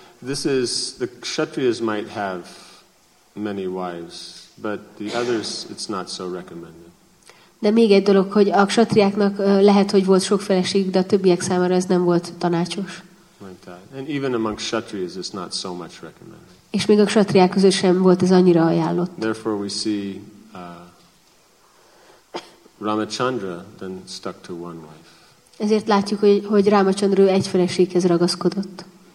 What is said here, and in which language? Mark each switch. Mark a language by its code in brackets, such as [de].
[en] this is the kshatriyas might have many wives, but the others it's not so recommended. [hu] De még egy dolog, hogy a kshatriáknak lehet, hogy volt sok feleség, de a többiek számára ez nem volt tanácsos. [en] And even among kshatriyas it's not so much recommended. [hu] És még a kshatriák között sem volt ez annyira ajánlott. [en] Therefore we see Ramachandra then stuck to one wife. [hu] Ezért látjuk, hogy Rámacsandra egy feleséghez ragaszkodott.